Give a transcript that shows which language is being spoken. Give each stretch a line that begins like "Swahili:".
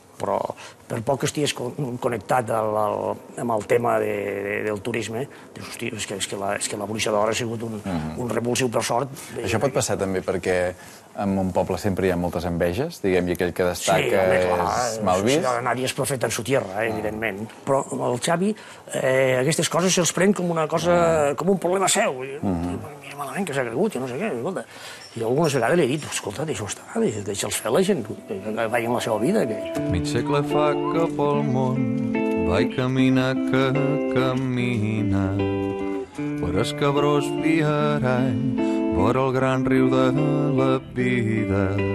Catalan: Però per poc que estigués connectat amb el tema del turisme, dius, hòstia, és que la Bruixa d'Or ha sigut un revulsiu per sort. Això pot passar també perquè en un poble sempre hi ha moltes enveges, diguem, i aquell que destaca és mal vist.
Spanish: Sí, nadie es profeta en su tierra,
Catalan: evidentment. Però el Xavi, aquestes coses se'ls pren com una cosa, com un problema seu. Mira malament que s'ha cregut, no sé què, escolta. I algunes vegades li he dit, escolta, deixa-ho estar, deixa'ls fer la gent, que vagin la seva vida. Mig segle fa que pel món vaig caminar que caminar per escabrós viarany per el gran riu de la vida.